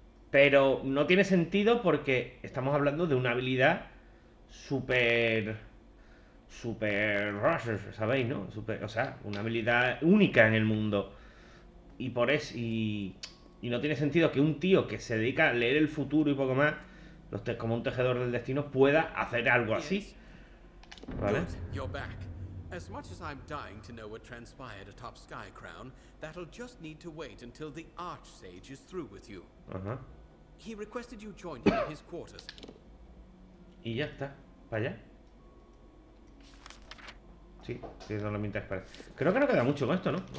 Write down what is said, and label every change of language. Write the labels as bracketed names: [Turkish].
[Spanish] Pero no tiene sentido porque estamos hablando de una habilidad súper. Súper. ¿Sabéis, no? Super, o sea, una habilidad única en el mundo. Y por eso. Y no tiene sentido que un tío que se dedica a leer el futuro y poco más, como un tejedor del destino, pueda hacer algo así. ¿Vale? [English] As much as I'm dying to know what transpired atop Sky Crown, that'll just need to wait until the Archsage is through with you. He requested you join him in his quarters. [Spanish] Y ya está. ¿Para allá? Sí, tiene sí, no lo mientas, espera. Creo que no queda mucho con esto, ¿no?